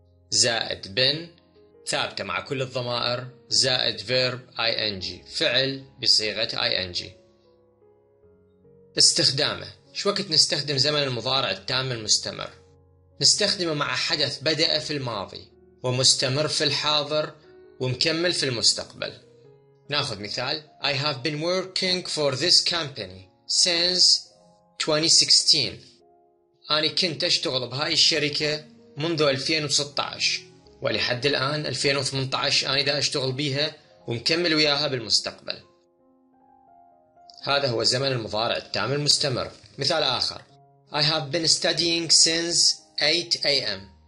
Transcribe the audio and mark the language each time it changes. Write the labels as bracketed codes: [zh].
[ar] زائد been ثابتة مع كل الضمائر. زائد verb ing فعل بصيغة ing. استخدامه شو وقت نستخدم زمن المضارع التام المستمر؟ نستخدمه مع حدث بدأ في الماضي ومستمر في الحاضر ومكمل في المستقبل. ناخذ مثال. [en] I have been working for this company since 2016. [ar] أنا كنت أشتغل بهاي الشركة منذ 2016 ولحد الآن 2018 أنا دا أشتغل بيها ومكمل وياها بالمستقبل. هذا هو زمن المضارع التام المستمر. مثال آخر. [en] I have been studying since 8 a.m.